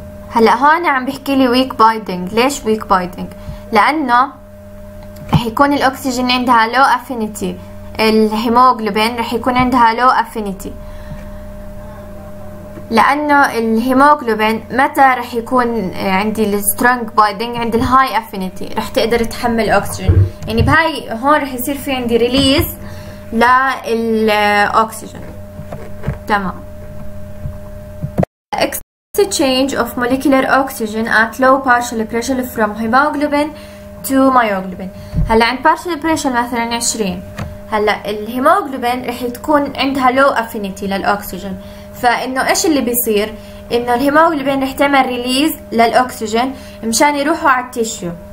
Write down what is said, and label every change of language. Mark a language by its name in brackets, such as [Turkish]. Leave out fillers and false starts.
[Arabic] هلا هون عم بحكي لي [English] weak binding. [Arabic] ليش weak binding؟ لأنه رح يكون الأكسجين عندها [English] low affinity، [Arabic] الهيموغلوبين رح يكون عندها low affinity، لأنه الهيموغلوبين متى رح يكون عندي [English] strong binding؟ [Arabic] عند [English] high affinity [Arabic] رح تقدر تحمل أكسجين. يعني بهاي هون رح يصير في عندي [English] release [Arabic] للأكسجين. تمام. [English] Exchange of molecular oxygen at low partial pressure from hemoglobin to myoglobin. [Arabic] هلا عند [English] partial pressure [Arabic] مثلا 20، هلا الهيموغلوبين رح تكون عندها [English] low affinity [Arabic] للأكسجين، فإنه إيش اللي بيصير؟ إنه الهيموغلوبين رح تعمل release للأكسجين مشان يروحوا على التيشيو.